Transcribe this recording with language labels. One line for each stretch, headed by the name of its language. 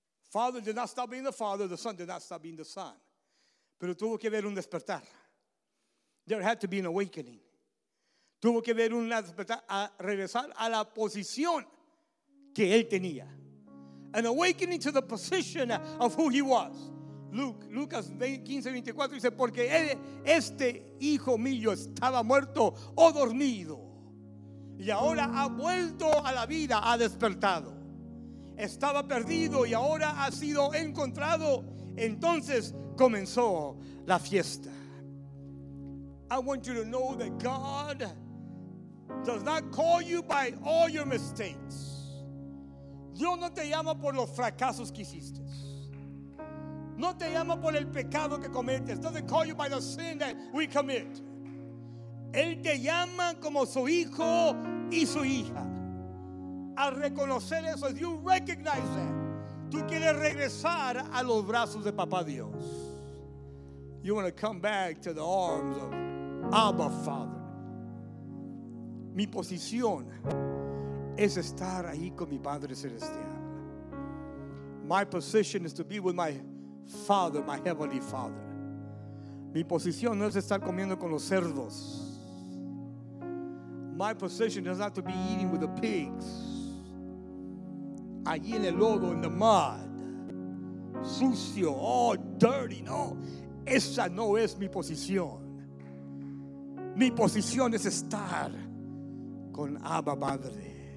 English: Father did not stop being the father, the son did not stop being the son.
Spanish: Pero tuvo que haber un despertar.
English: There had to be an awakening.
Spanish: Tuvo que haber un despertar a regresar a la posición que él tenía.
English: An awakening to the position of who he was.
Spanish: Lucas 15:24 dice, porque este hijo mío estaba muerto o dormido. Y ahora ha vuelto a la vida, ha despertado. Estaba perdido y ahora ha sido encontrado. Entonces comenzó la fiesta.
English: I want you to know that God does not call you by all your mistakes.
Spanish: Dios no te llama por los fracasos que hiciste. No te llama por el pecado que cometes.
English: Doesn't call you by the sin that we commit.
Spanish: Él te llama como su hijo y su hija. A reconocer eso,
English: you recognize that.
Spanish: Tú quieres regresar a los brazos de papá Dios.
English: You want to come back to the arms of Abba Father.
Spanish: Mi posición es estar ahí con mi Padre Celestial.
English: My position is to be with my Father, my Heavenly Father.
Spanish: Mi posición no es estar comiendo con los cerdos.
English: My position is not to be eating with the pigs.
Spanish: Allí en el lodo,
English: in the mud.
Spanish: Sucio, oh,
English: dirty,
Spanish: no. Esa no es mi posición. Mi posición es estar con Abba Padre.